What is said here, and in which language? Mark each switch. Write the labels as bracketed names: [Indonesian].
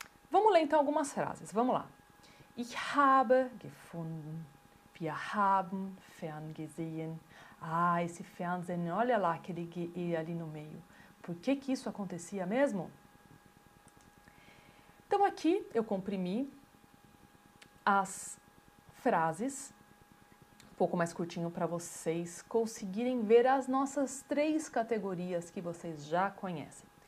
[Portuguese] Vamos ler então algumas frases. Vamos lá. [German] Ich habe gefunden, wir haben ferngesehen. [Portuguese] Ah, esse Fernsehen, olha lá aquele E ali no meio. Por que que isso acontecia mesmo? Então aqui eu comprimi as frases, um pouco mais curtinho para vocês conseguirem ver as nossas três categorias que vocês já conhecem.